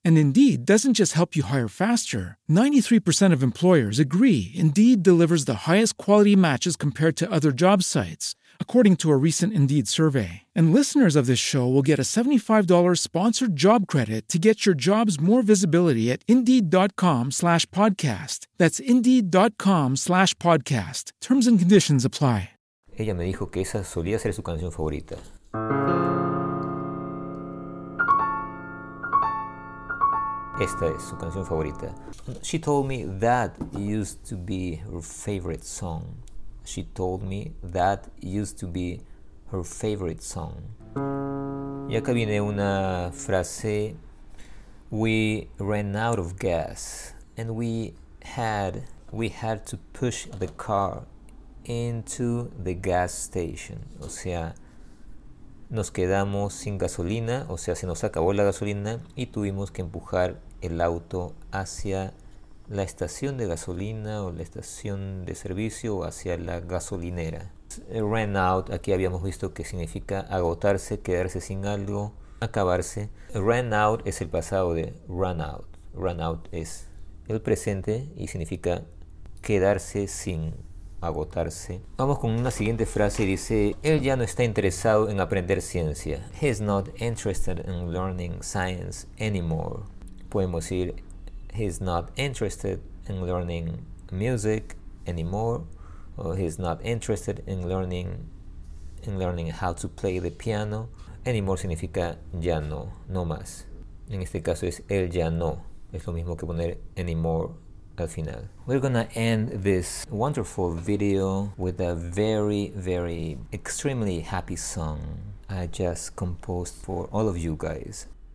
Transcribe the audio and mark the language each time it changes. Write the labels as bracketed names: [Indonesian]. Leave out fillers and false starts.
[English] And Indeed doesn't just help you hire faster. 93% of employers agree Indeed delivers the highest quality matches compared to other job sites, according to a recent Indeed survey. And listeners of this show will get a $75 sponsored job credit to get your jobs more visibility at Indeed.com/podcast. That's Indeed.com/podcast. Terms and conditions apply. [Spanish] Ella me dijo que esa solía ser su canción favorita. Esta es su canción favorita. [English] She told me that used to be her favorite song. She told me that used to be her favorite song. [Spanish] Y acá viene una frase. [English] We ran out of gas and we had we had to push the car into the gas station. [Spanish] O sea, nos quedamos sin gasolina, o sea, se nos acabó la gasolina y tuvimos que empujar el auto hacia la estación de gasolina o la estación de servicio o hacia la gasolinera. Ran out, aquí habíamos visto que significa agotarse, quedarse sin algo, acabarse. Ran out es el pasado de run out. Run out es el presente y significa quedarse sin, agotarse. Vamos con una siguiente frase y dice, él ya no está interesado en aprender ciencia. [English] He's not interested in learning science anymore. [Spanish] Podemos decir, [English] he's not interested in learning music anymore. Or he's not interested in learning how to play the piano. [Spanish] Anymore significa ya no, no más. En este caso es él ya no. Es lo mismo que poner anymore al final. [English] We're gonna end this wonderful video with a very, very extremely happy song I just composed for all of you guys.